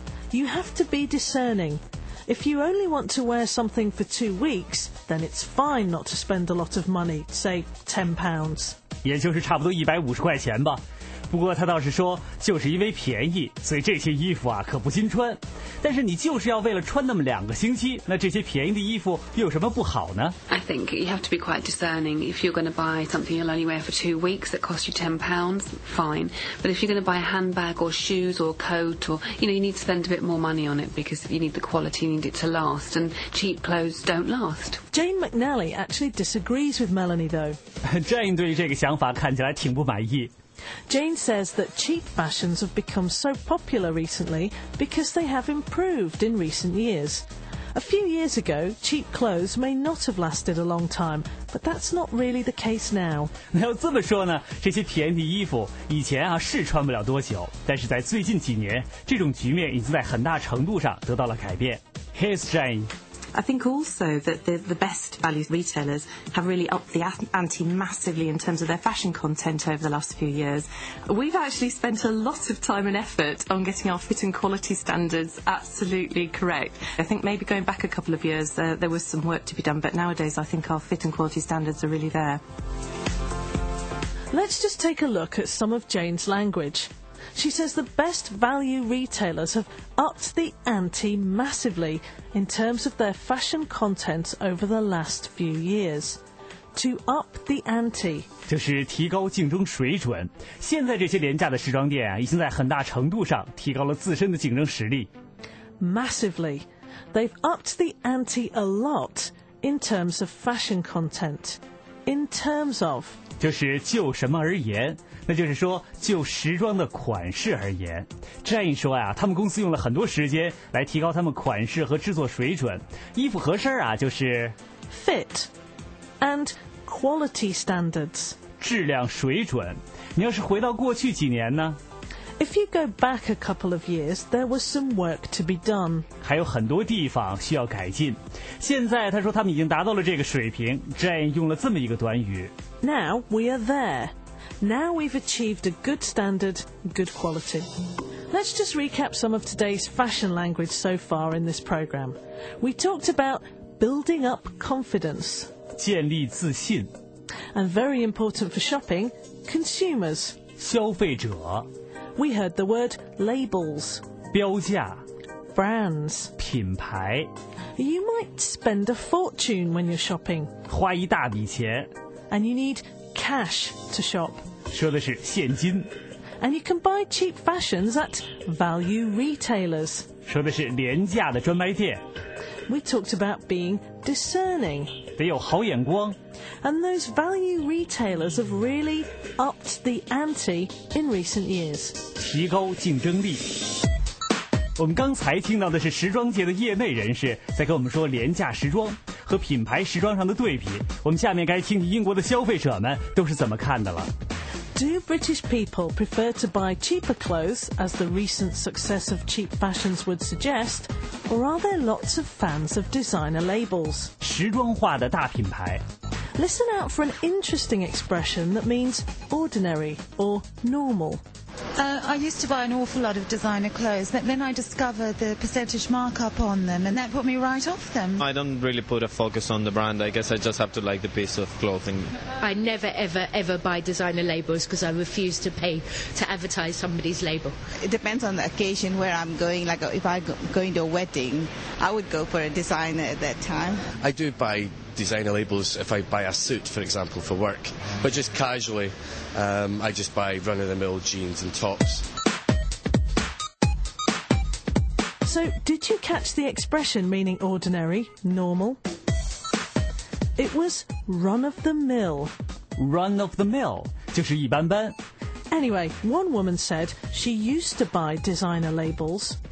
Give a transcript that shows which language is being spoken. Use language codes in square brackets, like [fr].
[en] You have to be discerning. If you only want to wear something for 2 weeks, then it's fine not to spend a lot of money, say £10. [zh] 也就是差不多150块钱吧。不过他倒是说，就是因为便宜，所以这些衣服啊可不经穿。但是你就是要为了穿那么两个星期，那这些便宜的衣服又有什么不好呢？ [en] I think you have to be quite discerning. If you're going to buy something you'll only wear for 2 weeks that costs you £10, fine. But if you're going to buy a handbag or shoes or coat or, you know, you need to spend a bit more money on it because you need the quality, you need it to last. And cheap clothes don't last. Jane McNally actually disagrees with Melanie though. [zh] Jane 对于这个想法看起来挺不满意。 [en] Jane says that cheap fashions have become so popular recently because they have improved in recent years. A few years ago, cheap clothes may not have lasted a long time, but that's not really the case now. [zh] 那要这么说呢，这些便宜的衣服以前啊是穿不了多久，但是在最近几年，这种局面已经在很大程度上得到了改变。 [en] Here's Jane. I think also that the best value retailers have really upped the ante massively in terms of their fashion content over the last few years. We've actually spent a lot of time and effort on getting our fit and quality standards absolutely correct. I think maybe going back a couple of years, there was some work to be done, but nowadays I think our fit and quality standards are really there. Let's just take a look at some of Jane's language. She says the best value retailers have upped the ante massively in terms of their fashion content over the last few years. To up the ante. [zh] 就是提高竞争水准。现在这些廉价的时装店啊，已经在很大程度上提高了自身的竞争实力。 [en] Massively. They've upped the ante a lot in terms of fashion content. In terms of... [zh] 就是就什么而言，那就是说就时装的款式而言。 Jane说啊，他们公司用了很多时间来提高他们款式和制作水准。衣服合身啊，就是 [en] fit and quality standards， [zh] 质量水准。你要是回到过去几年呢？ [en] If you go back a couple of years, there was some work to be done. [zh] 还有很多地方需要改进。现在他说他们已经达到了这个水平。 Jane 用了这么一个短语。 [en] Now we are there. Now we've achieved a good standard, good quality. Let's just recap some of today's fashion language so far in this program. We talked about building up confidence. [zh] 建立自信。 [en] And very important for shopping, consumers. [zh] 消费者。 [en] We heard the word labels, [zh] 标价 [en] brands, [zh] 品牌 [en] You might spend a fortune when you're shopping, [zh] 花一大笔钱 [en] And you need cash to shop, [zh] 说的是现金 [en] And you can buy cheap fashions at value retailers, [zh] 说的是廉价的专卖店 [en] We talked about being discerning, [zh] 得有好眼光 [en] And those value retailers have really upped the ante in recent years. [zh] 提高竞争力。我们刚才听到的是时装界的业内人士在跟我们说廉价时装和品牌时装上的对比。我们下面该听听英国的消费者们都是怎么看的了。 [en] Do British people prefer to buy cheaper clothes, as the recent success of cheap fashions would suggest, or are there lots of fans of designer labels? [zh] 时装化的大品牌。 [en] Listen out for an interesting expression that means ordinary or normal. I used to buy an awful lot of designer clothes, but then I discovered the percentage markup on them, and that put me right off them. I don't really put a focus on the brand. I guess I just have to like the piece of clothing. I never, ever, ever buy designer labels because I refuse to pay to advertise somebody's label. It depends on the occasion where I'm going. Like if I'm going to a wedding, I would go for a designer at that time. I do buy... designer labels if I buy a suit for example for work but just casually I just buy run-of-the-mill jeans and tops so did you catch the expression meaning ordinary normal it was run-of-the-mill [zh] run-of-the-mill 就是一般般 [en] anyway one woman said she used to buy designer labels